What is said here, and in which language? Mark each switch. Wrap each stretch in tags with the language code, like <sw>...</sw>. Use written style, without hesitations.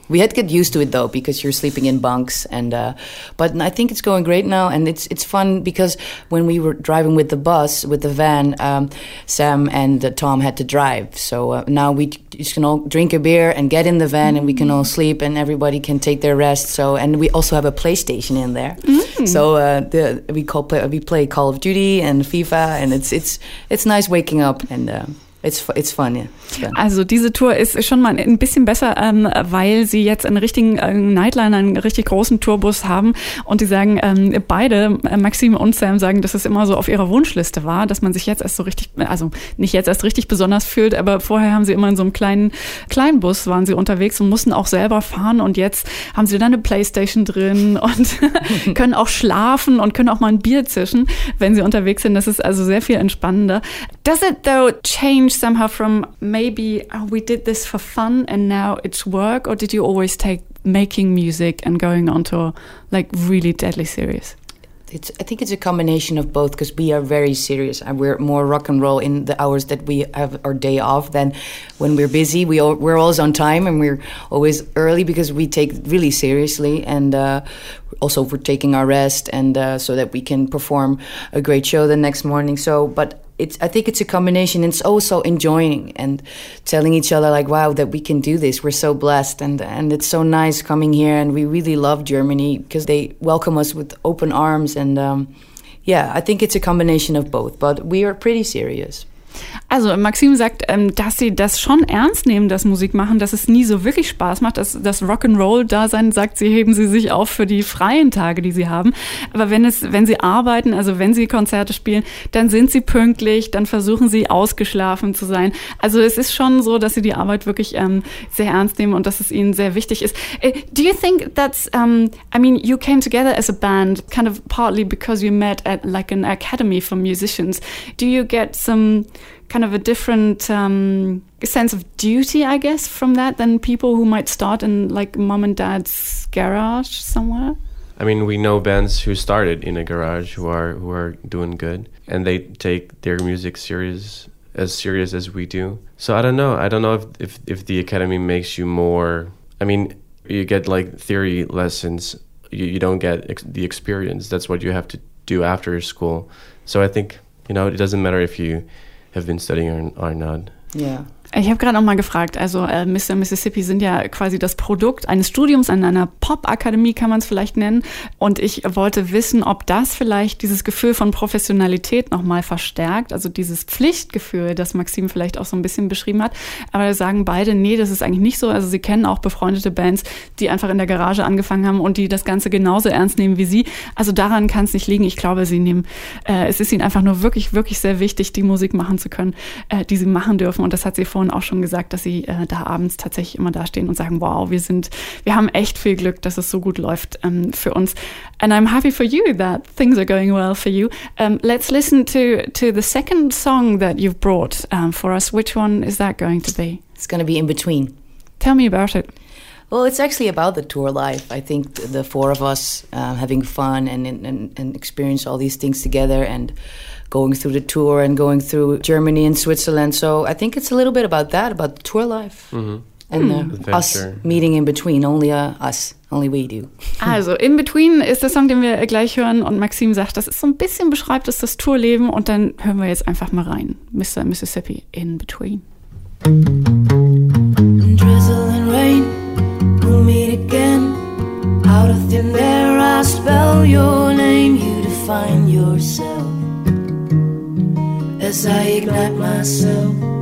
<en>we had to get used to it though, because you're sleeping in bunks, and but I think it's going great now, and it's fun, because when we were driving with the bus, with the van, Sam and Tom had to drive, so now we just can all drink a beer and get in the van, mm-hmm. and we can all sleep, and everybody can take their rest. So, and we also have a PlayStation in there. Mm-hmm. So we play Call of Duty and FIFA, and it's nice waking up, and it's fun, yeah.</en> <de>Also diese Tour ist schon mal ein bisschen besser, weil sie jetzt einen richtigen Nightliner, einen richtig großen Tourbus haben, und sie sagen, beide, Maxim und Sam, sagen, dass es immer so auf ihrer Wunschliste war, dass man sich jetzt erst so richtig, also nicht jetzt erst richtig besonders fühlt, aber vorher haben sie immer in so einem kleinen Bus waren sie unterwegs und mussten auch selber fahren, und jetzt haben sie dann eine PlayStation drin und können auch schlafen und können auch mal ein Bier zischen, wenn sie unterwegs sind. Das ist also sehr viel entspannender.</de> <en>Does it though change somehow from maybe, oh, we did this for fun and now it's work, or did you always take making music and going on tour like really deadly serious? I think it's a combination of both, because we are very serious and we're more rock and roll in the hours that we have our day off than when we're busy. We're always on time and we're always early because we take really seriously, and also we're taking our rest, and so that we can perform a great show the next morning. So, but I think it's a combination. It's also enjoying and telling each other, like, wow, that we can do this. We're so blessed. And it's so nice coming here. And we really love Germany because they welcome us with open arms. And yeah, I think it's a combination of both. But we are pretty serious.</en> <de>Also Maxim sagt, dass sie das schon ernst nehmen, das Musik machen, dass es nie so wirklich Spaß macht, dass das Rock'n'Roll-Dasein, sagt sie, heben sie sich auf für die freien Tage, die sie haben. Aber wenn sie arbeiten, also wenn sie Konzerte spielen, dann sind sie pünktlich, dann versuchen sie ausgeschlafen zu sein. Also es ist schon so, dass sie die Arbeit wirklich sehr ernst nehmen und dass es ihnen sehr wichtig ist.</de> <en>Do you think that's, I mean, you came together as a band, kind of partly because you met at like an academy for musicians. Do you get some kind of a different sense of duty, I guess, from that than people who might start in like mom and dad's garage somewhere? I mean, we know bands who started in a garage who are doing good, and they take their music serious as serious as we do. So I don't know. I don't know if the academy makes you more. I mean, you get like theory lessons. You don't get the experience. That's what you have to do after school. So I think, you know, it doesn't matter if you have been studying or not. Yeah.</en> <de>Ich habe gerade noch mal gefragt, also Mr. Mississippi sind ja quasi das Produkt eines Studiums an einer Pop-Akademie, kann man es vielleicht nennen. Und ich wollte wissen, ob das vielleicht dieses Gefühl von Professionalität noch mal verstärkt, also dieses Pflichtgefühl, das Maxim vielleicht auch so ein bisschen beschrieben hat. Aber da sagen beide, nee, das ist eigentlich nicht so. Also sie kennen auch befreundete Bands, die einfach in der Garage angefangen haben und die das Ganze genauso ernst nehmen wie sie. Also daran kann es nicht liegen. Ich glaube, sie nehmen, es ist ihnen einfach nur wirklich, wirklich sehr wichtig, die Musik machen zu können, die sie machen dürfen. Und das hat sie vorhin auch schon gesagt, dass sie da abends tatsächlich immer dastehen und sagen, wow, wir haben echt viel Glück, dass es so gut läuft für uns.</de> <en>And I'm happy for you that things are going well for you. Let's listen to the second song that you've brought for us. Which one is that going to be? It's going to be In Between. Tell me about it. Well, it's actually about the tour life. I think the four of us having fun and experience all these things together and going through the tour and going through Germany and Switzerland. So I think it's a little bit about that, about the tour life. Mm-hmm. And us meeting in between, only us, only we do.</en> <de>Also In Between ist der Song, den wir gleich hören. Und Maxim sagt, das ist so ein bisschen beschreibt, das ist das Tourleben. Und dann hören wir jetzt einfach mal rein. Mr. Mississippi, In Between.</de> <en>In drizzle and rain, we'll meet again. Out of thin air, I spell your name. You define yourself as I ignite myself.</en>